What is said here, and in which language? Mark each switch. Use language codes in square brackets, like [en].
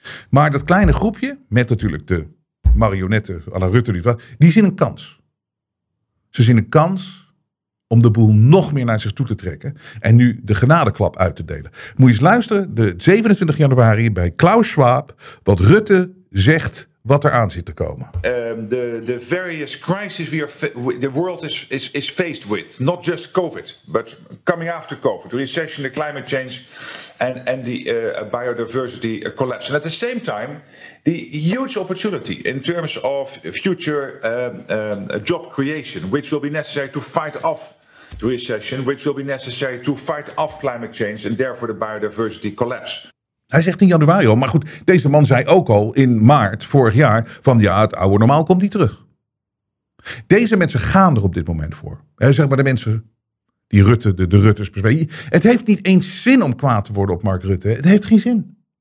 [nl] Maar dat kleine groepje, met natuurlijk de marionetten à la Rutte, die zien een kans. Ze zien een kans om de boel nog meer naar zich toe te trekken en nu de genadeklap uit te delen. Moet je eens luisteren, de 27 januari bij Klaus Schwab, wat Rutte zegt wat er aan zit te komen. [en] The various crises the world is faced with, not just COVID, but coming after COVID, recession, the climate change, and the biodiversity collapse. And at the same time, the huge opportunity in terms of future job creation, which will be necessary to fight off the recession, which will be necessary to fight off climate change and therefore the biodiversity collapse. [nl] Hij zegt in januari al, maar goed, deze man zei ook al in maart vorig jaar van ja, het oude normaal komt niet terug. Deze mensen gaan er op dit moment voor. Zeg maar de mensen die Rutte, de Rutters. Het heeft niet eens zin om kwaad te worden op Mark Rutte. Het heeft geen zin.